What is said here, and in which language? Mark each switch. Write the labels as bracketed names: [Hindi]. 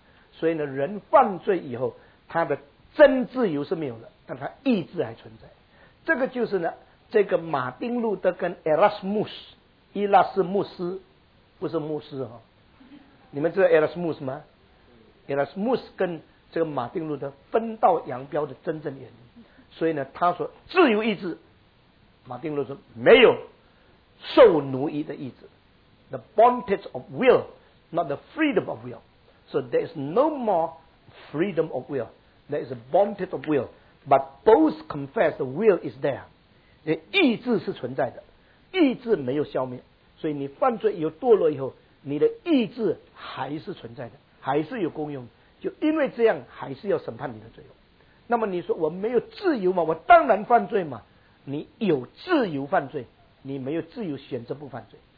[Chinese] 所以呢，人犯罪以后他的真自由是没有了，但他意志还存在。这个就是呢，这个马丁路德跟 Erasmus 伊拉斯穆斯，不是牧师、哦、你们知道 Erasmus 吗？ Erasmus 跟这个马丁路德分道扬镳的真正原因。所以呢，他说自由意志，马丁路德说没有受奴役的意志， [English] The bondage of will not the freedom of will， So there is no more freedom of will， There is a bondage of will， But both confess the will is there， [Chinese] 意志是存在的，意志没有消灭。所以你犯罪有堕落以后，你的意志还是存在的，还是有功用，就因为这样还是要审判你的罪。那么你说我没有自由嘛，我当然犯罪嘛。你有自由犯罪，你没有自由选择不犯罪。